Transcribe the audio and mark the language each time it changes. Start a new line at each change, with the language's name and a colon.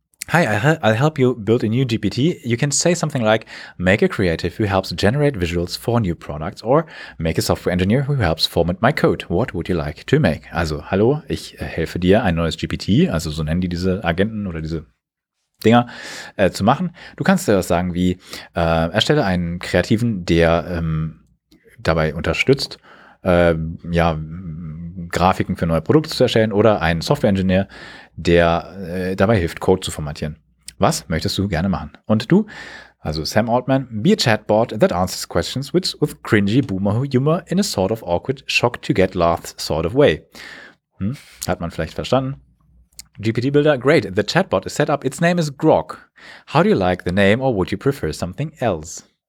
English: Hi, I'll help you build a new GPT. You can say something like, make a creative who helps generate visuals for new products or make a software engineer who helps format my code. What would you like to make?
German: Also, hallo, ich helfe dir, ein neues GPT, also so nennen die diese Agenten oder diese Dinger, zu machen. Du kannst dir das sagen wie, erstelle einen Kreativen, der dabei unterstützt, Grafiken für neue Produkte zu erstellen oder einen Software-Engineer, der dabei hilft, Code zu formatieren. Was möchtest du gerne machen? Und du
English: Also Sam Altman, be a chatbot that answers questions which with cringy boomer humor in a sort of awkward shock to get laughs sort of way.
German: Hat man vielleicht verstanden.
English: GPT Builder, great, the chatbot is set up, its name is Grok. How do you like the name or would you prefer something else?